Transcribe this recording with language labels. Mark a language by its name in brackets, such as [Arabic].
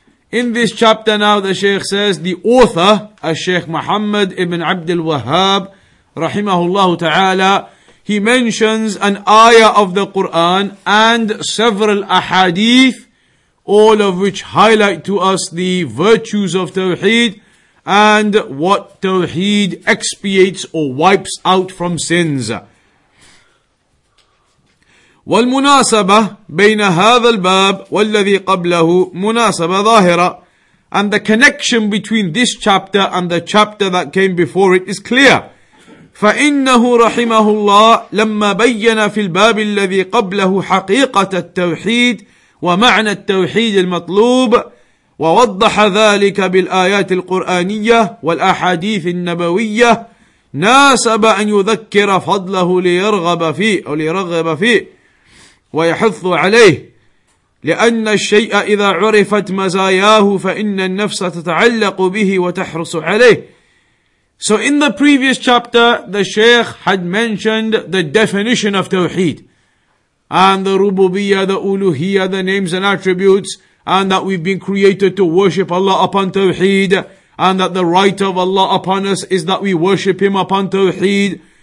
[English] In this chapter now the Shaykh says, the author, الشيخ محمد ابن عبد الوهاب [Arabic] رحمه الله تعالى, [English] he mentions an ayah of the Quran and several ahadith, all of which highlight to us the virtues of Tawheed and what Tawheed expiates or wipes out from sins. [Arabic] والمناسبة بين هذا الباب والذي قبله مناسبة ظاهرة. [English] And the connection between this chapter and the chapter that came before it is clear. [Arabic] فإنه رحمه الله لما بين في الباب الذي قبله حقيقة التوحيد ومعنى التوحيد المطلوب ووضح ذلك بالآيات القرآنية والأحاديث النبوية ناسب أن يذكر فضله ليرغب فيه أو ليرغب فيه ويحث عليه, لأن الشيء إذا عرفت مزاياه فإن النفس تتعلق به وتحرص عليه. [English] So in the previous chapter, the Shaykh had mentioned the definition of Tawheed and the Rububiyya, the Uluhiyya, the names and attributes, and that we've been created to worship Allah upon Tawheed, and that the right of Allah upon us is that we worship Him upon Tawheed.